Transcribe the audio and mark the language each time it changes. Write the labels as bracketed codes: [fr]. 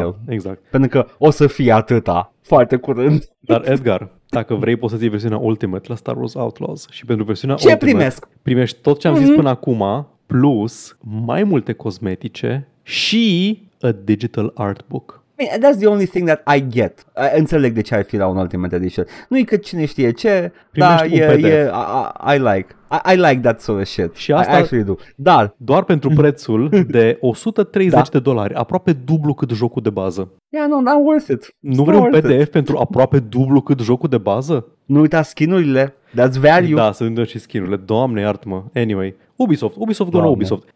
[ro] Da, exact. Pentru că o să fie atâta foarte curând. Dar Edgar, dacă vrei poți să ții versiunea Ultimate la Star Wars Outlaws și pentru versiunea ce Ultimate primesc? Primești tot ce am zis până acum, plus mai multe cosmetice și [en] a digital artbook. I mean, that's the only thing that I get. [ro] Înțeleg de ce ar fi la un Ultimate Edition. Nu e că cine știe ce, primești dar e, [en] I like that sort of shit. [ro] Și asta [en] I actually do. [ro] Dar doar pentru prețul de $130 da. De dolari, aproape dublu cât jocul de bază. [en] Yeah, no, not worth it. [ro] Nu vrei un PDF pentru aproape dublu cât jocul de bază? Nu uita skin-urile. [en] That's value. [ro] Da, să nu uităm și skin-urile. Doamne, iartă-mă. Anyway, Ubisoft, doar Ubisoft.